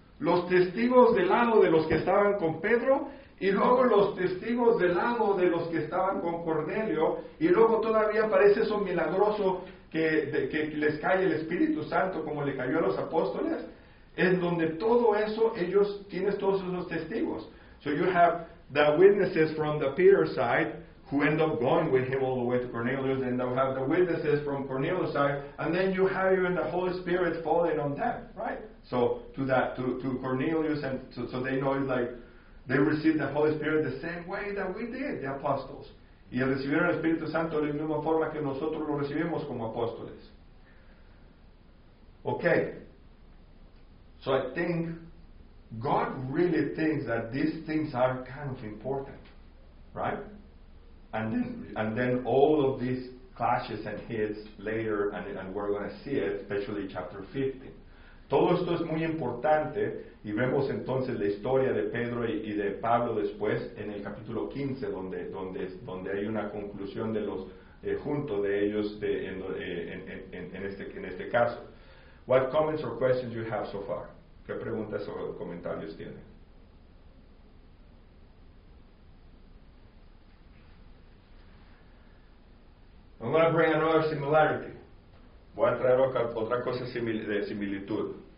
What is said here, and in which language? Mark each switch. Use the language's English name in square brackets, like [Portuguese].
[Spanish] Los testigos del lado de los que estaban con Pedro. Y luego los testigos del lado de los que estaban con Cornelio. Y luego todavía parece eso milagroso que les cae el Espíritu Santo como le cayó a los apóstoles. En donde todo eso, ellos tienen todos esos testigos. [English] So you have the witnesses from the Peter side who end up going with him all the way to Cornelius. And you have the witnesses from Cornelius side. And then you have even the Holy Spirit falling on them, right? So to Cornelius, and so they know it's like, they received the Holy Spirit the same way that we did, the apostles. [Spanish] Y recibieron el Espíritu Santo de la misma forma que nosotros lo recibimos como apóstoles. [English] Okay. So I think God really thinks that these things are kind of important, right? And then all of these clashes and hits later, and we're going to see it, especially chapter 15. [Spanish] Todo esto es muy importante, y vemos entonces la historia de Pedro y de Pablo después en el capítulo 15, donde hay una conclusión de los junto de ellos en este caso. [English] What comments or questions you have so far? [Spanish] ¿Qué preguntas o comentarios tienen? [English] I'm going to bring another similarity. [Spanish] Voy a traer otra cosa de similitud.